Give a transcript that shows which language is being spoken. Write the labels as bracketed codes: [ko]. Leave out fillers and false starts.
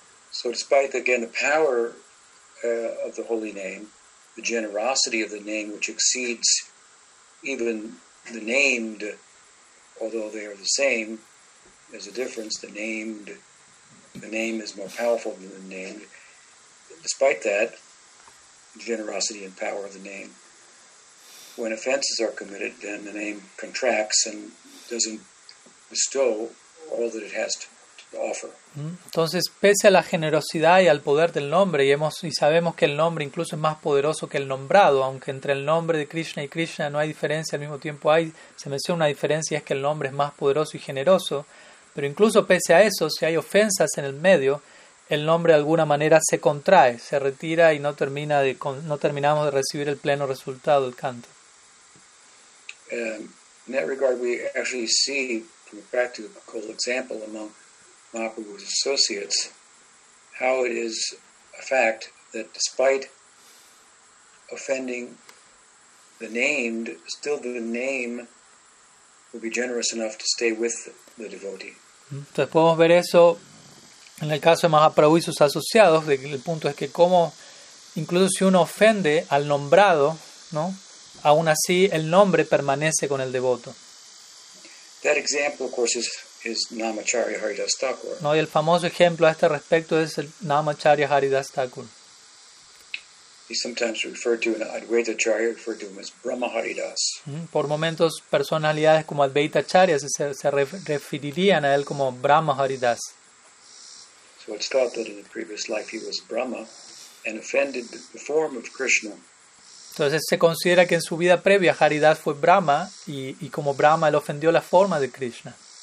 [en] So despite, again, the power of the holy name, the generosity of the name, which exceeds even the named, although they are the same, there's a difference. The name is more powerful than the named. Despite that, the generosity and power of the name, when offenses are committed, then the name contracts and doesn't bestow all that it has to offer. [es] Entonces, pese a la generosidad y al poder del nombre, y sabemos que el nombre incluso es más poderoso que el nombrado, aunque entre el nombre de Krishna y Krishna no hay diferencia, al mismo tiempo se menciona una diferencia, es que el nombre es más poderoso y generoso, pero incluso pese a eso, si hay ofensas en el medio, el nombre de alguna manera se contrae, se retira y no terminamos de recibir el pleno resultado del canto. [en] In that regard, we actually see from a practical example among Mahaprabhu's associates how it is a fact that despite offending the named, still the name will be generous enough to stay with the devotee. [es] Entonces podemos ver eso en el caso de Mahaprabhu y sus asociados, de que el punto es que como incluso si uno ofende al nombrado, ¿no?, aún así el nombre permanece con el devoto. [en] That example, of course, is Namacharya Haridas Thakur. [es] No, y el famoso ejemplo a este respecto es el Namacharya Haridas Thakur. [en] He's sometimes referred to in Advaita Charya, referred to him as Brahma Haridas. [es] Por momentos, personalidades como Advaita Charya se referirían a él como Brahma Haridas. [en] So it's thought that in a previous life he was Brahma and offended the form of Krishna. [es] Entonces se considera que en su vida previa Haridas fue Brahma y como Brahma él ofendió la forma de Krishna.